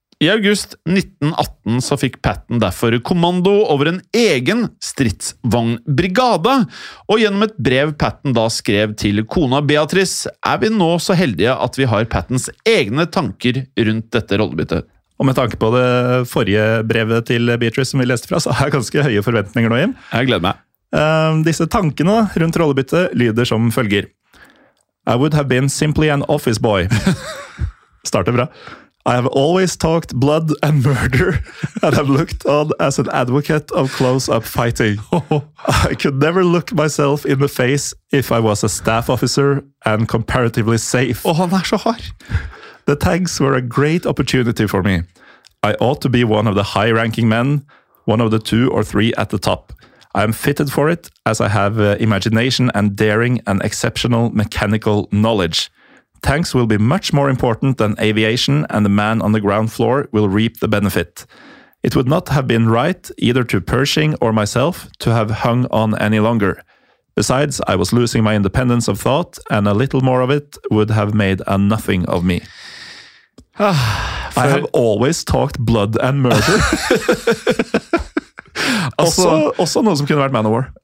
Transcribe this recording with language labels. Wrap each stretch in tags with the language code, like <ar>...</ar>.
<no>I august 1918 så fikk Patton derfor kommando over en egen stridsvognbrigade, og gjennom et brev Patton da skrev til kona Beatrice, er vi nå så heldige at vi har Pattons egne tanker rundt dette rollebyttet. Og med tanke på det forrige brevet til Beatrice som vi leste fra, så har jeg ganske høye forventninger nå, Jim. Jeg gleder meg. Disse tankene rundt rollebyttet lyder som følger.</no> <en>I would have been simply an office boy.</en> <no>Starter bra.</no> <en>I have always talked blood and murder, and I've looked on as an advocate of close-up fighting. I could never look myself in the face if I was a staff officer and comparatively safe.</en> <no>Oh, han er så hard.</no> <en>The tanks were a great opportunity for me. I ought to be one of the high-ranking men, one of the 2 or 3 at the top. I am fitted for it, as I have imagination and daring and exceptional mechanical knowledge. Tanks will be much more important than aviation, and the man on the ground floor will reap the benefit. It would not have been right, either to Pershing or myself, to have hung on any longer. Besides, I was losing my independence of thought, and a little more of it would have made a nothing of me. I have always talked blood and murder.</en> <no>Også noe som kunne vært Manowar.</no>